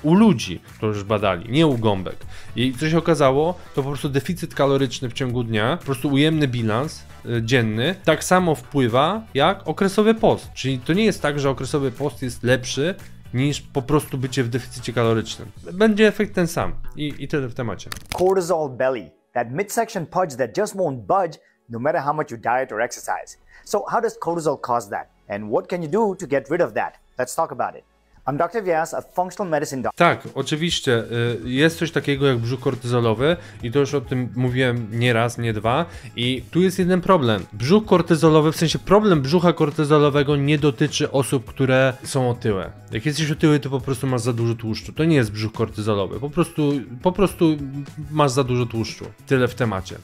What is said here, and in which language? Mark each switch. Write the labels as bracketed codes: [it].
[pl] U ludzi to już badali, nie u gąbek. I co się okazało, to po prostu deficyt kaloryczny w ciągu dnia, po prostu ujemny bilans dzienny, tak samo wpływa jak okresowy post. Czyli to nie jest tak, że okresowy post jest lepszy niż po prostu bycie w deficycie kalorycznym. Będzie efekt ten sam. I tyle w temacie. [en] Cortisol belly. That midsection pudge that just won't budge no matter how much you diet or exercise. So how does cortisol cause that? And what can you do to get rid of that? Let's talk about it. I'm Dr. Vyas, a functional medicine doctor. [pl] Tak, oczywiście, jest coś takiego jak brzuch kortyzolowy i to już o tym mówiłem nie raz, nie dwa. I tu jest jeden problem. Brzuch kortyzolowy, w sensie problem brzucha kortyzolowego nie dotyczy osób, które są otyłe. Jak jesteś otyły, to po prostu masz za dużo tłuszczu. To nie jest brzuch kortyzolowy, po prostu masz za dużo tłuszczu. Tyle w temacie.